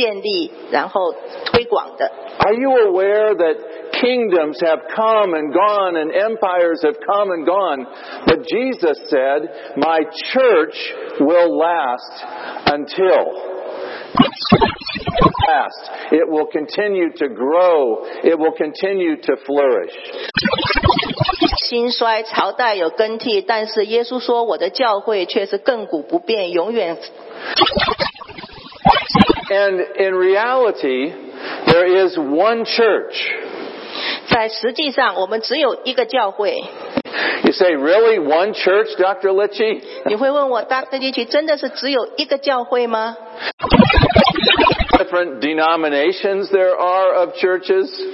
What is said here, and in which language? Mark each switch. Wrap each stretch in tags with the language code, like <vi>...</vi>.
<zh>所以在使徒行传里面，我们就看到从第二章开始，教会是如何的发展、建立，然后推广的。</zh> <en>Are you aware that kingdoms have come and gone and empires have come and gone? But Jesus said, my church will last until... Past. It will continue to grow. It will continue to flourish.</en> <zh>兴衰朝代有更替, 但是耶稣说我的教会却是亘古不变, 永远...</zh> <en>And in reality, there is one church.</en> <zh>在实际上我们只有一个教会。</zh> <en>You say, really, one church, Dr. Litchi?</en> <zh>你会问我, Dr. Litchi, 真的是只有一个教会吗?</zh> <en>Different denominations there are of churches.</en>